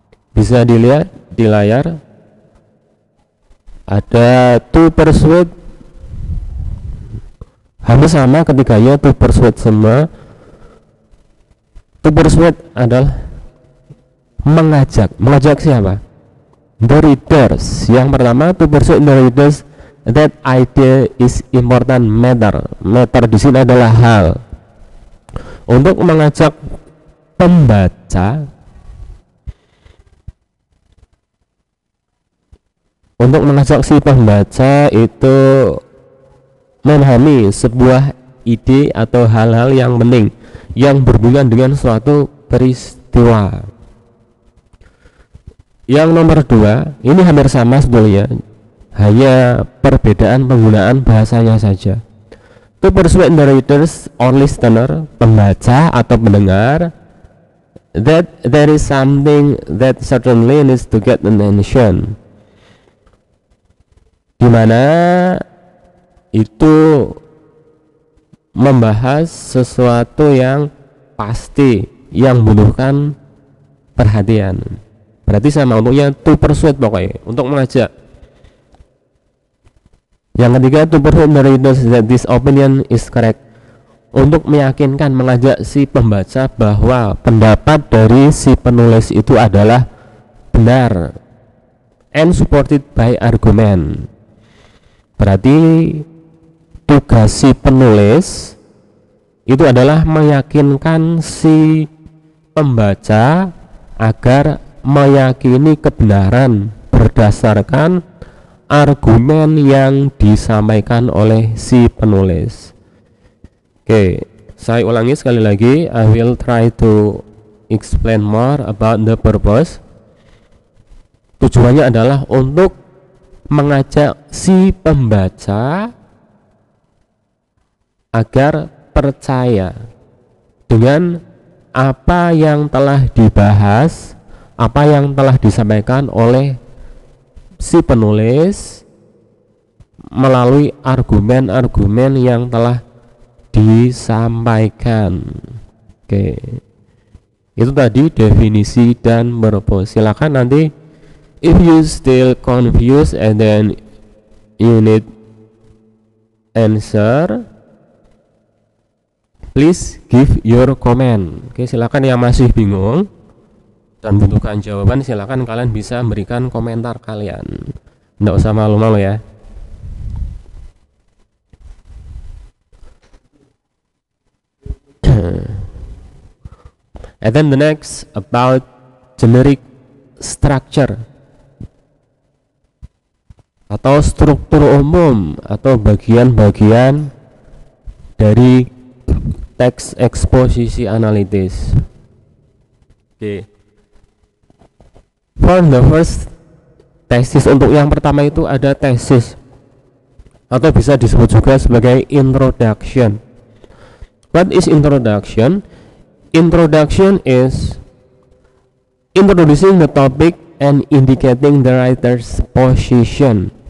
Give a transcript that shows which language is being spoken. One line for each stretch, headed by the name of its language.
Indonesian: Bisa dilihat di layar, ada to persuade, hampir sama ketiganya, to persuade semua. To persuade adalah mengajak siapa?
English: The readers.
Indonesian: Yang pertama,
English: to persuade the readers that idea is important matter.
Indonesian: Matter di sini adalah hal. Untuk mengajak pembaca, untuk mengajak si pembaca itu memahami sebuah ide atau hal-hal yang penting yang berhubungan dengan suatu peristiwa. Yang nomor dua, ini hampir sama sebetulnya, hanya perbedaan penggunaan bahasanya saja.
English: To persuade the readers or listener,
Indonesian: pembaca atau pendengar,
English: that there is something that certainly needs to get attention.
Indonesian: Di mana itu membahas sesuatu yang pasti, yang membutuhkan perhatian. Berarti sama untuknya, to persuade pokoknya, untuk mengajak. Yang ketiga,
English: to persuade the readers that this opinion is correct.
Indonesian: Untuk meyakinkan, mengajak si pembaca bahwa pendapat dari si penulis itu adalah benar.
English: And supported by argument.
Indonesian: Berarti tugas si penulis itu adalah meyakinkan si pembaca agar meyakini kebenaran berdasarkan argumen yang disampaikan oleh si penulis. Oke, saya ulangi sekali lagi.
English: I will try to explain more about the purpose.
Indonesian: Tujuannya adalah untuk mengajak si pembaca agar percaya dengan apa yang telah dibahas, apa yang telah disampaikan oleh si penulis melalui argumen-argumen yang telah disampaikan. Oke. Itu tadi definisi dan purpose. Silakan nanti,
English: if you still confused and then you need answer, please give your comment.
Indonesian: Oke, silakan yang masih bingung dan butuhkan jawaban, silakan kalian bisa memberikan komentar kalian. Enggak usah malu-malu ya.
English: And then the next, about generic structure.
Indonesian: atau struktur umum atau bagian-bagian dari teks eksposisi analitis. Oke.
English: For the first
Indonesian: tesis, untuk yang pertama itu ada tesis atau bisa disebut juga sebagai introduction.
English: What is introduction? Introduction is introducing the topic and indicating the writer's position.